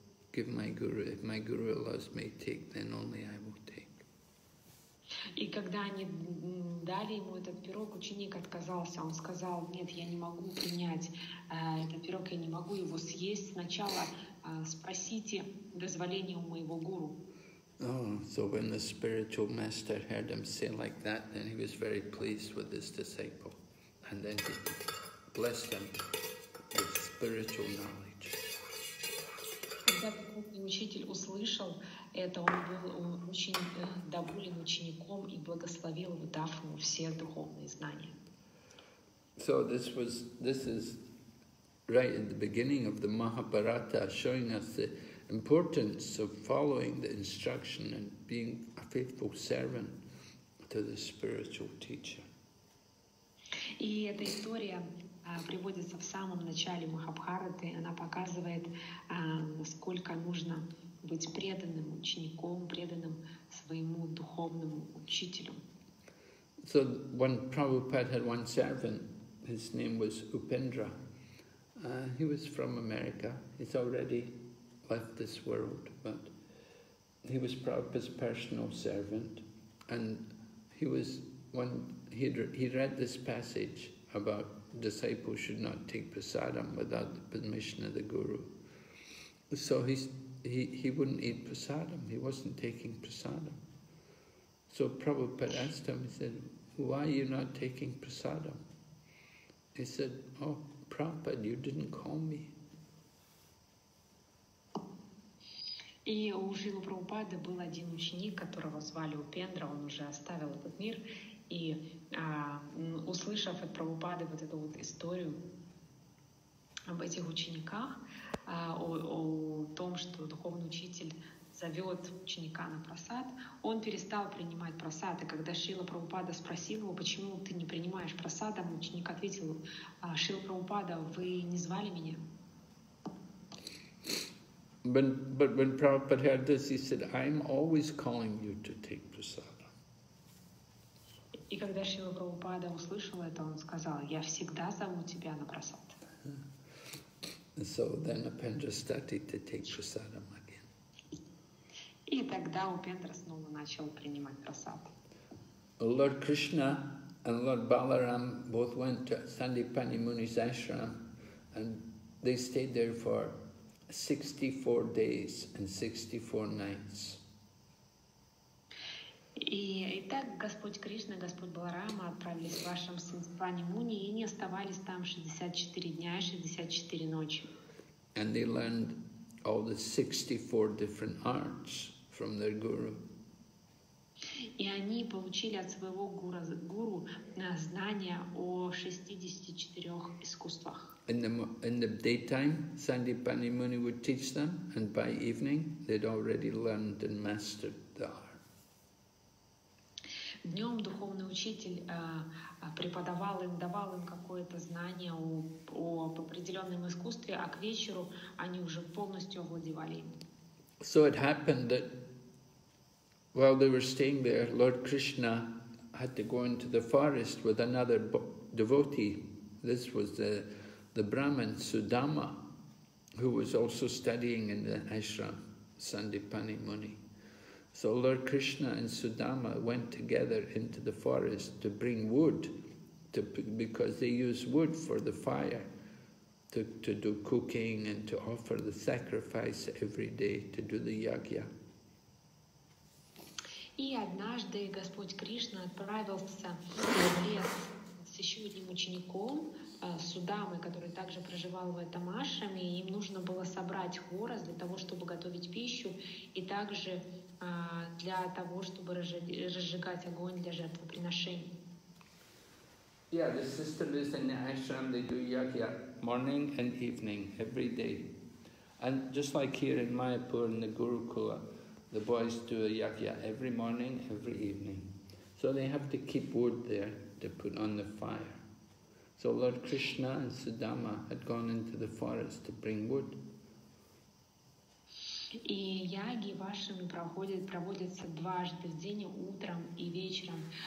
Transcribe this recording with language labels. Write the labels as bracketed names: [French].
[English] Give my guru, if my guru allows me to take, then only I will take. [Russian] И когда они дали ему этот пирог, ученик отказался. Он сказал, нет, я не могу принять этот пирог, я не могу его съесть. Сначала спросите дозволение у моего гуру. [English] Oh, so when the spiritual master heard him say like that, then he was very pleased with his disciple. And then he blessed him with spiritual knowledge. [Russian] Когда учитель услышал это, он был очень доволен учеником и благословил, дав ему все духовные знания. [English] So this is right at the beginning of the Mahabharata, showing us the importance of following the instruction and being a faithful servant to the spiritual teacher. [Russian] И эта история приводится в самом начале Махабхараты, она показывает, насколько нужно быть преданным учеником, преданным своему духовному учителю. [English] So one Prabhupada had one servant, his name was Upendra. He was from America. He's already left this world, but he was Prabhupada's personal servant, and he read this passage about disciples should not take prasadam without the permission of the guru. So he wouldn't eat prasadam, he wasn't taking prasadam. So Prabhupada asked him, he said, why are you not taking prasadam? He said, oh, Prabhupada, you didn't call me. [Russian] И у Шрилы Прабхупады был один ученик, которого звали Упендра, он уже оставил этот мир. И услышав от Прабхупады вот эту вот историю об этих учениках, о том, что духовный учитель зовет ученика на просад, он перестал принимать просад. И когда Шрила Прабхупада спросил его, почему ты не принимаешь просад, ученик ответил: Шрила Прабхупада, вы не звали меня? [English] But when Prabhupada heard this, he said, I'm always calling you to take prasada. [Russian] И когда Шрила Прабхупада услышал это, он сказал, я всегда зову тебя на прасад. [English] So then Upendra started to take prasadam again. [Russian] И тогда Упендра снова начал принимать прасад. [English] Lord Krishna and Lord Balaram both went to Sandipani Muni's ashram and they stayed there for 64 days and 64 nights. [Russian] И так Господь Кришна и Господь Баларама отправились в вашем Сандипани Муни и не оставались там 64 дня и 64 ночи. [English] And they learned all the 64 different arts from their guru. [Russian] И они получили от своего гуру знания о 64 искусствах. [English] In the daytime, Sandipani Muni would teach them, and by evening, they'd already learned and mastered the art. [Russian] Днем духовный учитель преподавал им, давал им какое-то знание об определенном искусстве, а к вечеру они уже полностью овладевали им. [English] So it happened that while they were staying there, Lord Krishna had to go into the forest with another devotee. This was the Brahmin Sudama, who was also studying in the ashram, Sandipani Muni. So Lord Krishna and Sudama went together into the forest to bring wood, because they use wood for the fire, to do cooking and to offer the sacrifice every day to do the yajna. И однажды Господь Кришна отправился в лес с еще одним учеником, Судамой, который также проживал в этом ашраме, и им нужно было собрать хворост для того, чтобы готовить пищу, и также для того, чтобы разжигать огонь для жертвоприношений. Yeah, the sister lives in the ashram, they do yajna morning and evening, every day. And just like here in Mayapur, in the Gurukula, the boys do a yajna every morning, every evening. So they have to keep wood there to put on the fire. So Lord Krishna and Sudama had gone into the forest to bring wood. [Russian] И яги вашими проводятся дважды в день, утром и вечером.